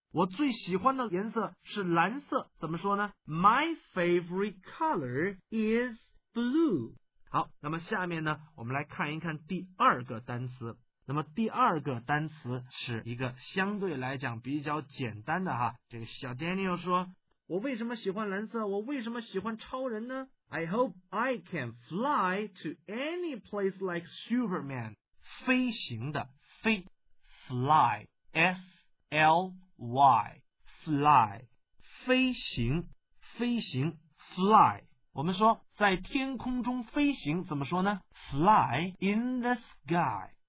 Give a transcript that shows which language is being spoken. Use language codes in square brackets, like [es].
[zh] 我最喜欢的颜色是蓝色，怎么说呢 ？ [en] My favorite color is blue。 [zh] 好，那么下面呢，我们来看一看第二个单词。那么第二个单词是一个相对来讲比较简单的哈。这个小 Daniel 说我为什么喜欢蓝色？我为什么喜欢超人呢？ [en] I hope I can fly to any place like Superman. [zh] 飞行的飞 fly, F-L-Y, fly, 飞行飞行 fly. 我们说在天空中飞行怎么说呢？ [en] Fly in the sky.